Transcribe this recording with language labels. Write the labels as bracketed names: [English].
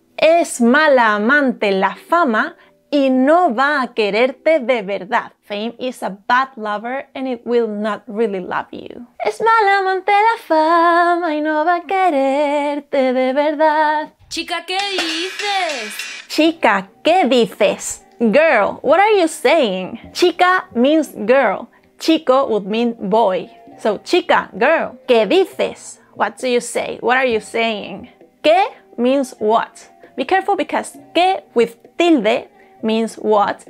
[Spanish] Es mala amante la fama y no va a quererte de verdad. [English] Fame is a bad lover and it will not really love you. [Spanish] Es mala amante la fama y no va a quererte de verdad. Chica, ¿qué dices? Chica, ¿qué dices? [English] Girl, what are you saying? Chica means girl. chico would mean boy. So chica, girl. [Spanish] ¿Qué dices? [English] What do you say? What are you saying? ¿Qué means what? Be careful because ¿qué with tilde means what?